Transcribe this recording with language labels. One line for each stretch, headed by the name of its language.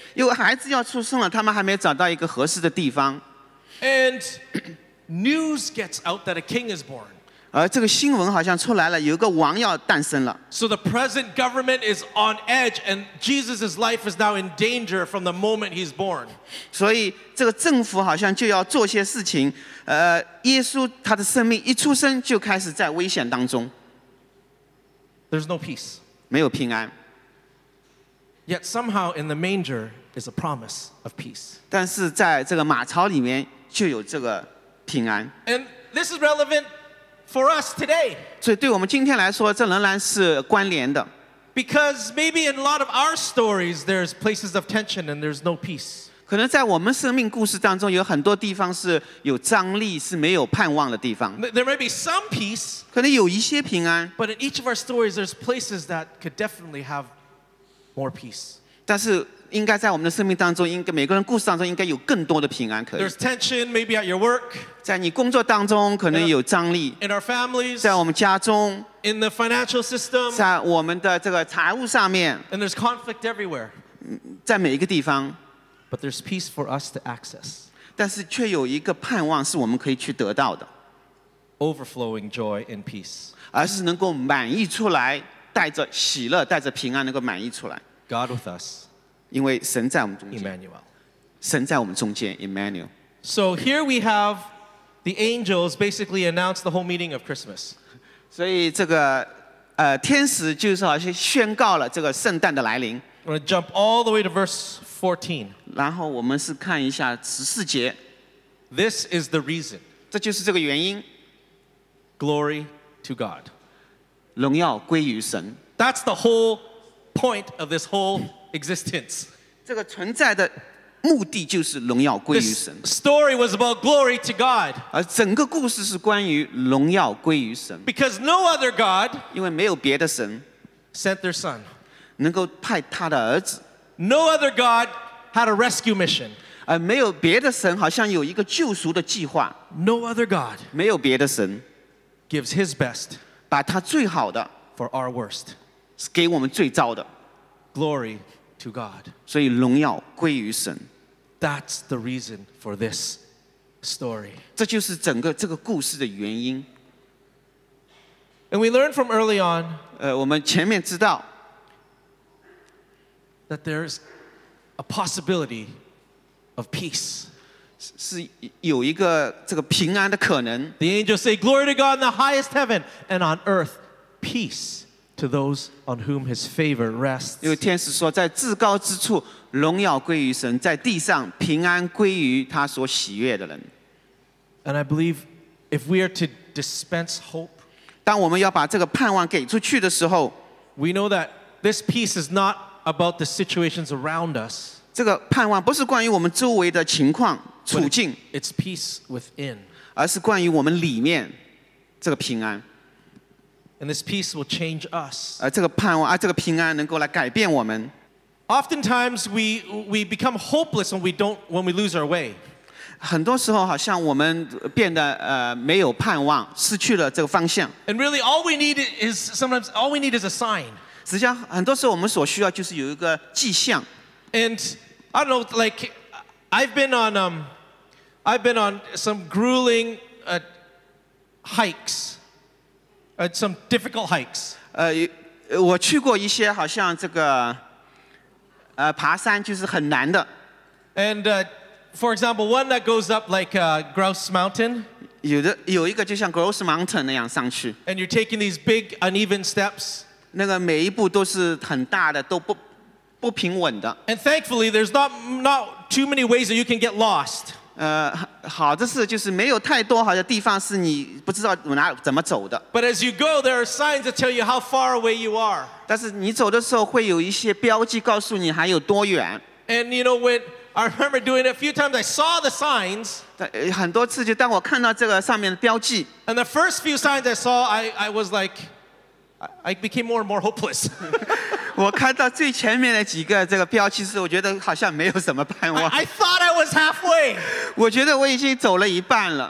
Chinese: 因为孩子要出生了，他们还没找到一个合适的地方。
English: And news gets out that a king is born.
Chinese: 而这个新闻好像出来了，有一个王要诞生了。
English: So the present government is on edge, and Jesus' life is now in danger from the moment he's born.
Chinese: 所以这个政府好像就要做些事情。耶稣他的生命一出生就开始在危险当中。
English: There's no peace.
Chinese: 没有平安。
English: Yet somehow in the manger is a promise of peace.
Chinese: 但是在这个马槽里面就有这个平安。
English: And this is relevant for us today.
Chinese: 所以对我们今天来说，这仍然是关联的。
English: Because maybe in a lot of our stories, there's places of tension and there's no peace.
Chinese: 可能在我们生命故事当中，有很多地方是有张力，是没有盼望的地方。
English: There may be some peace,
Chinese: 可能有一些平安。
English: But in each of our stories, there's places that could definitely have more peace.
Chinese: 但是应该在我们的生命当中，应该每个人故事当中应该有更多的平安。可以。
English: There's tension maybe at your work.
Chinese: 在你工作当中可能有张力。
English: In our families.
Chinese: 在我们家中。
English: In the financial system.
Chinese: 在我们的这个财务上面。
English: And there's conflict everywhere.
Chinese: 在每一个地方。
English: But there's peace for us to access.
Chinese: 但是却有一个盼望是我们可以去得到的。
English: Overflowing joy and peace.
Chinese: 而是能够满溢出来，带着喜乐，带着平安，能够满溢出来。
English: God with us.
Chinese: 因为神在我们中间。
English: Emmanuel.
Chinese: 神在我们中间 ，Emmanuel.
English: So here we have the angels basically announce the whole meaning of Christmas.
Chinese: 所以这个天使就是好像宣告了这个圣诞的来临。
English: I'm going to jump all the way to verse 14.
Chinese: 然后我们是看一下14节。
English: This is the reason.
Chinese: 这就是这个原因。
English: Glory to God.
Chinese: 荣耀归于神。
English: That's the whole point of this whole existence.
Chinese: 这个存在的目的就是荣耀归于神。
English: This story was about glory to God.
Chinese: 而整个故事是关于荣耀归于神。
English: Because no other God
Chinese: 因为没有别的神
English: sent their son.
Chinese: 能够派他的儿子。
English: No other God had a rescue mission.
Chinese: 没有别的神好像有一个救赎的计划。
English: No other God
Chinese: 没有别的神
English: gives his best
Chinese: 把他最好的
English: for our worst
Chinese: 是给我们最糟的。
English: Glory to God.
Chinese: 所以荣耀归于神。
English: That's the reason for this story.
Chinese: 这就是整个这个故事的原因。
English: And we learn from early on
Chinese: 我们前面知道
English: that there's a possibility of peace.
Chinese: 是有一个这个平安的可能。
English: The angels say, glory to God in the highest heaven and on earth, peace to those on whom his favor rests.
Chinese: 因为天使说在至高之处荣耀归于神在地上平安归于他所喜悦的人。
English: And I believe if we are to dispense hope,
Chinese: 当我们要把这个盼望给出去的时候
English: we know that this peace is not about the situations around us.
Chinese: 这个盼望不是关于我们周围的情况处境
English: it's peace within.
Chinese: 而是关于我们里面这个平安。
English: And this peace will change us.
Chinese: 这个盼望这个平安能够来改变我们。
English: Oftentimes we become hopeless when we lose our way.
Chinese: 很多时候好像我们变得没有盼望，失去了这个方向。
English: And really, all we need is sometimes all we need is a sign.
Chinese: 实际上，很多时候我们所需要就是有一个迹象。
English: And I don't know, like I've been on some grueling hikes, some difficult hikes.
Chinese: 我去过一些好像这个爬山就是很难的。
English: And for example, one that goes up like Grouse Mountain.
Chinese: 有一个就像 Grouse Mountain 那样上去。
English: And you're taking these big uneven steps.
Chinese: 那个每一步都是很大的，都不平稳的。
English: And thankfully, there's not too many ways that you can get lost.
Chinese: 好的是就是没有太多好的地方是你不知道哪怎么走的。
English: But as you go, there are signs that tell you how far away you are.
Chinese: 但是你走的时候会有一些标记告诉你还有多远。
English: And you know when. I remember doing it a few times. I saw the signs.
Chinese: 很多次就当我看到这个上面的标记。
English: And the first few signs I saw, I was like, I became more and more hopeless.
Chinese: 我看到最前面的几个这个标记时，我觉得好像没有什么盼望。
English: I thought I was halfway.
Chinese: 我觉得我已经走了一半了。